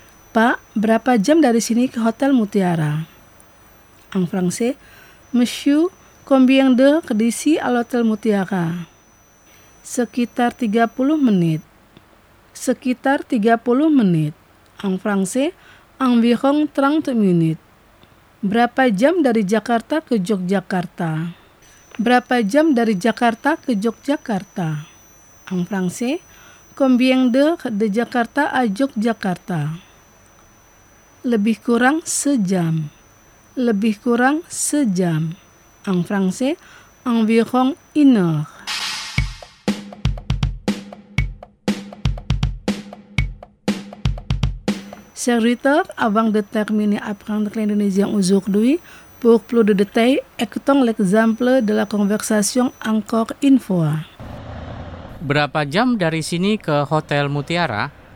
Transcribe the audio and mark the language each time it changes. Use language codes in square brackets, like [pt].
[id] Pak, berapa jam dari sini ke Hotel Mutiara? [fr] En français, Monsieur, combien d'heures d'ici à l'Hotel Mutiara? [id] Sekitar 30 menit. Sekitar 30 menit. [fr] En français, environ 30 minutes. [id] Berapa jam dari Jakarta ke Yogyakarta? Berapa jam dari Jakarta ke Yogyakarta? [fr] En français, combien d'heures de Jakarta à Yogyakarta? [id] Lebih kurang sejam. Lebih kurang sejam. [fr] En français, environ une heure. Chers auditeurs, avant de terminer apprendre l'indonésien aujourd'hui, pour plus de détails, écoutons l'exemple de la conversation encore une fois. [id] Berapa jam dari sini ke Hotel Mutiara?